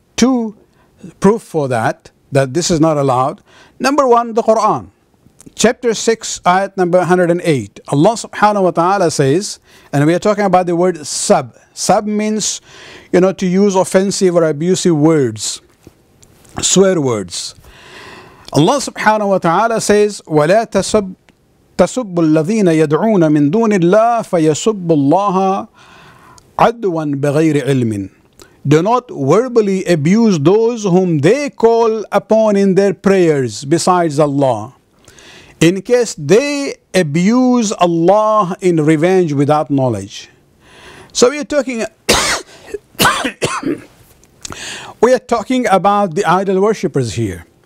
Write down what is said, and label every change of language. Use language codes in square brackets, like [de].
[en] Two proof for that this is not allowed. Number one, the Quran. Chapter 6, ayat number 108. Allah subhanahu wa ta'ala says, and we are talking about the word sabb. Sabb means, you know, to use offensive or abusive words, swear words. [ar] Allah subhanahu wa ta'ala says, وَلَا تَسُبُّ الَّذِينَ يَدْعُونَ مِن دُونِ اللَّهِ فَيَسُبُّ اللَّهَ عَدْوًا بِغَيْرِ عِلْمٍ. [en] Do not verbally abuse those whom they call upon in their prayers besides Allah, in case they abuse Allah in revenge without knowledge. So we are talking about the idol worshippers here.